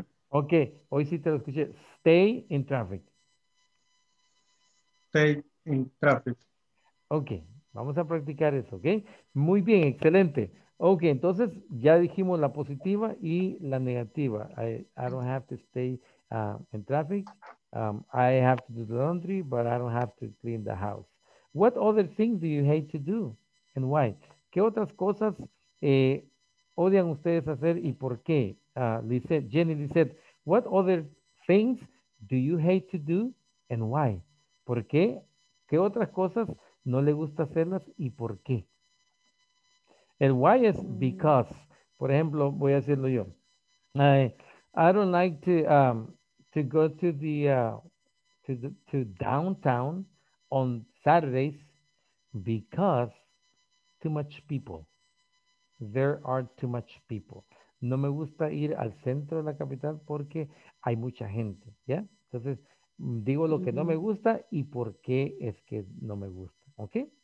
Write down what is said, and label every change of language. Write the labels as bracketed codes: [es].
[es] Ok, hoy sí te lo escuché. [en] Stay in traffic. Stay in traffic. [es] Ok, vamos a practicar eso, ¿ok? Muy bien, excelente. Ok, entonces ya dijimos la positiva y la negativa. [en] I don't have to stay in traffic. I have to do the laundry, but I don't have to clean the house. What other things do you hate to do and why? [es] ¿Qué otras cosas odian ustedes hacer y por qué? [en] Lizette, Jenny Lizette, what other things do you hate to do and why? [es] ¿Por qué? ¿Qué otras cosas no le gusta hacerlas y por qué? El why es because. Por ejemplo, voy a decirlo yo. [en] I don't like to go to downtown on Saturdays because too much people. There are too much people. [es] No me gusta ir al centro de la capital porque hay mucha gente, ¿ya? Entonces, digo lo que no me gusta y por qué es que no me gusta, ¿ok?